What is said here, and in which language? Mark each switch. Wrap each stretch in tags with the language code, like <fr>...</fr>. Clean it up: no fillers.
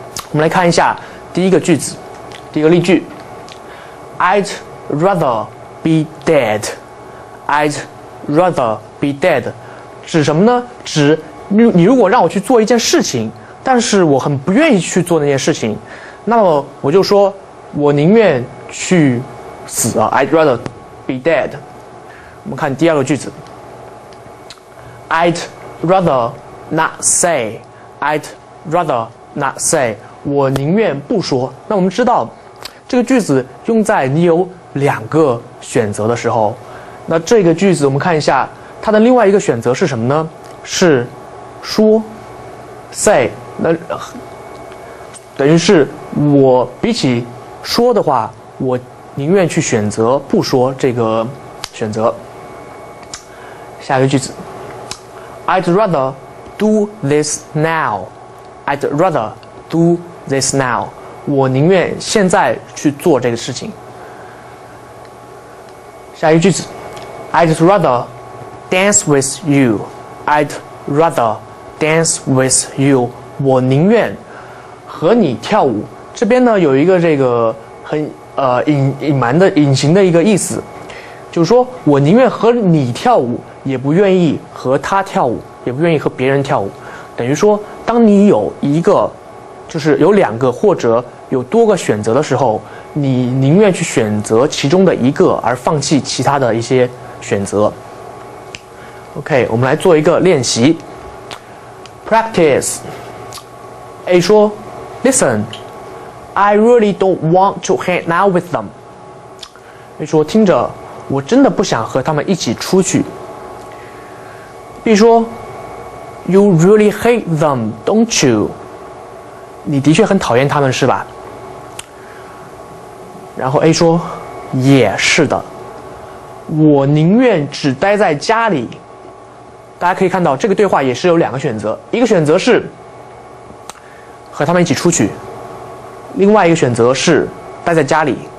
<zh>我们来看一下第一个句子，第一个例句 ，</zh> <en>I'd rather be dead. I'd rather. Be dead</en> <zh>指什么呢？指 你如果让我去做一件事情，但是我很不愿意去做那件事情，那么我就说我宁愿去死啊。</zh> <en>I'd rather be dead。</en> <zh>我们看第二个句子</zh> <en>I'd rather not say</en> <zh>I'd rather not say 我宁愿不说。那我们知道这个句子用在你有两个选择的时候，那这个句子我们看一下它的另外一个选择是什么呢？是说 say 那等于是我比起说的话，我宁愿去选择不说这个选择。下一个句子</zh> <en>I'd rather do this now</en> <zh>I'd rather do this now 我宁愿现在去做这个事情。下一个句子</zh> <en>I'd rather dance with you</en> <zh>I'd rather dance with you 我宁愿和你跳舞。这边呢有一个这个很隐形的一个意思，就是说我宁愿和你跳舞，也不愿意和他跳舞，也不愿意和别人跳舞。等于说当你有一个就是有两个或者有多个选择的时候，你宁愿去选择其中的一个而放弃其他的一些选择。 OK, 我们来做一个练习。</zh> <en>Practice. A 说 Listen, I really don't want to hang out with them.</en> <zh>A 说听着，我真的不想和他们一起出去。</zh> <en>B 说 You really hate them, don't you?</en> <zh>你的确很讨厌他们是吧？然后 A 说也是的，我宁愿只待在家里。大家可以看到这个对话也是有两个选择，一个选择是和他们一起出去，另外一个选择是待在家里。</zh>